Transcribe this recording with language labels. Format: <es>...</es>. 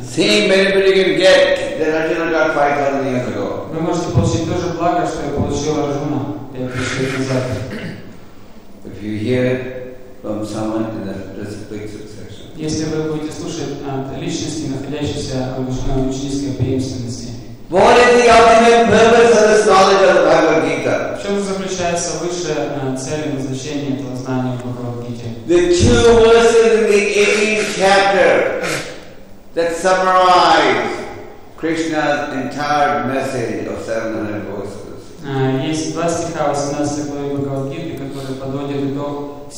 <en>Same benefit you can get that Arjuna got 5,000 years ago.</en> <ru>Вы можете получить то же благо, что я получил Арджуна 5,000 лет назад.</ru> <en>If you hear from someone in the disciplic succession.</en> <ru>Если вы будете слушать от личности, находящейся в обычной ученической преемственности.</ru> <en>What is the ultimate purpose of this knowledge of the Bhagavad Gita?</en> <ru>В чем заключается высшая цель и назначение этого знания в Бхагавад Гите?</ru> <en>The two verses in the 18th chapter that summarize Krishna's entire message of 700 verses.</en> <ru>Есть два стиха 18 главы Бхагавад Гиты, которые подводят итог</ru>